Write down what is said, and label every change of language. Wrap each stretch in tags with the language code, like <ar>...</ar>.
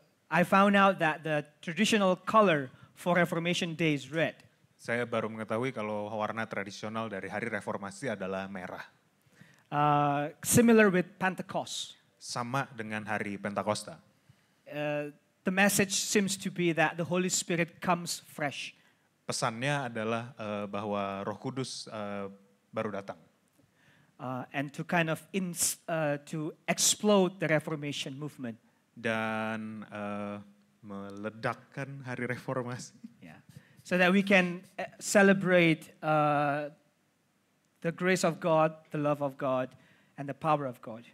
<en>I found out that the traditional color for Reformation Day is red.</en> <id>Saya baru mengetahui kalau warna tradisional dari hari reformasi adalah merah.</id> <en>Similar with Pentecost.</en> <id>Sama dengan hari Pentakosta.</id> <en>The message seems to be that the Holy Spirit comes fresh.</en> <id>Pesannya adalah bahwa Roh Kudus baru datang.</id> <en>And to kind of to explode the Reformation movement.</en> <id>Dan meledakkan hari reformasi.</id> <en>Yeah. So that we can celebrate the grace of God, the love of God, and the power of God.</en>